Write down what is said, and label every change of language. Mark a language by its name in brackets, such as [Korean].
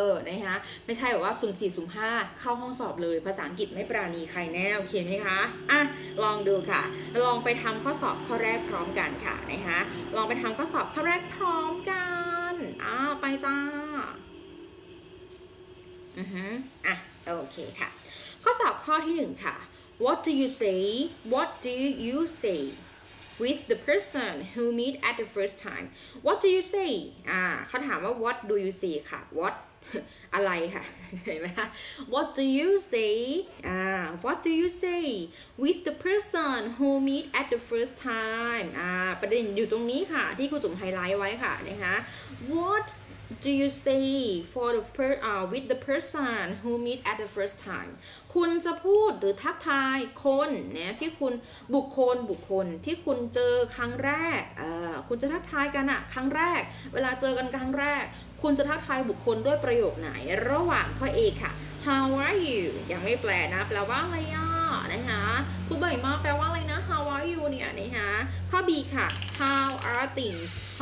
[Thai] นะคะไม่ใช่แบบว่าสุ่ม4สุ่ม5เข้าห้องสอบเลยภาษาอังกฤษไม่ปราณีใครแน่โอเคไหมคะอ่ะลองดูค่ะลองไปทำข้อสอบข้อแรกพร้อมกันค่ะนะคะลองไปทำข้อสอบข้อแรกพร้อมกันอ้าวไปจ้าอือฮึอ่ะโอเคค่ะข้อสอบข้อที่1ค่ะ [English] What do you say? What do you say with the person who meet at the first time? What do you say? [Thai] เขาถามว่า [English] What do you say? [Thai] ค่ะ What อะไรค่ะเห็นไหมคะ What do you say? [English] What do you say with the person who meet at the first time? [Thai] ประเด็นอยู่ตรงนี้ค่ะที่ครูจุ๋มไฮไลท์ไว้ค่ะนะคะ [English] What do you say for the with the person who meet at the first time? [Thai] คุณจะพูดหรือทักทายคนนะที่คุณบุคคลที่คุณเจอครั้งแรกคุณจะทักทายกันอะครั้งแรกเวลาเจอกันครั้งแรกคุณจะทักทายบุคคลด้วยประโยคไหนระหว่างข้อ A ค่ะ [English] How are you [Thai] ยังไม่แปลนะแปลว่าอะไรอ่ะนะคะคุณใบมาแปลว่าอะไรนะ How are you เนี่ยนะคะข้อ B ค่ะ [English] How are things